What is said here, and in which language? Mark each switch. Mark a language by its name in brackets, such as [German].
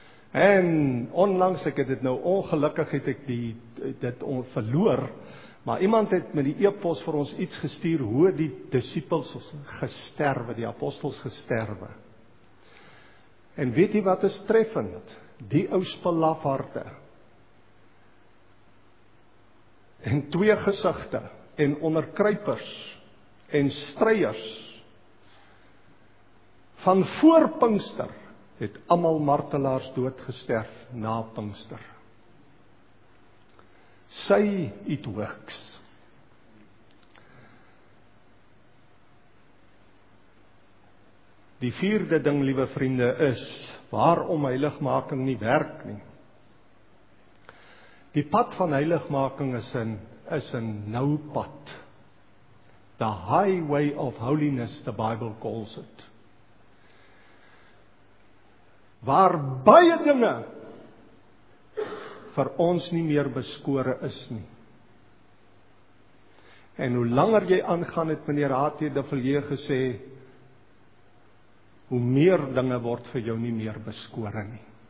[Afrikaans] En onlangs, ek het dit nou ongelukkig, het ek dit verloor, maar iemand het met die e-pos vir ons iets gestuur, hoe die disippels gesterwe, die apostels gesterwe. En weet jy wat is treffend? Die ou spelafharte en 2 gesigte en onderkruipers en stryers van voor Pinkster het almal martelaars dood gesterf na Pinkster. [English] Say it works. [Afrikaans] Die vierde ding, liewe vriende, is waarom heiligmaking nie werk nie. Die pad van heiligmaking is een nou pad. [English] The highway of holiness, the Bible calls it. [Afrikaans] Waar baie dinge vir ons nie meer beskore is nie. En hoe langer jy aangaan, het meneer H.T. de Villiers gesê, hoe meer dinge word vir jou nie meer beskore nie.